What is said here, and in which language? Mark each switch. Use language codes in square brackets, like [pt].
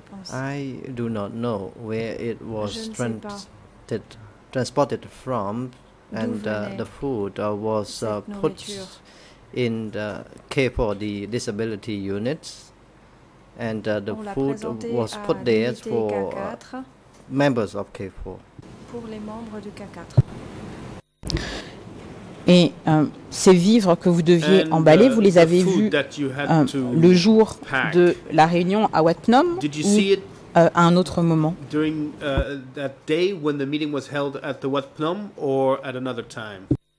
[en] I do not know where it was transported from, and the food was put in the care for the disability unit, and the food was put there for members of K4. [fr] Pour les membres du Et ces vivres que vous deviez emballer, vous les avez vus le jour de la réunion à Wat Phnom ou à un autre moment? [en] During that day when the meeting was held at the Wat Phnom or at another time?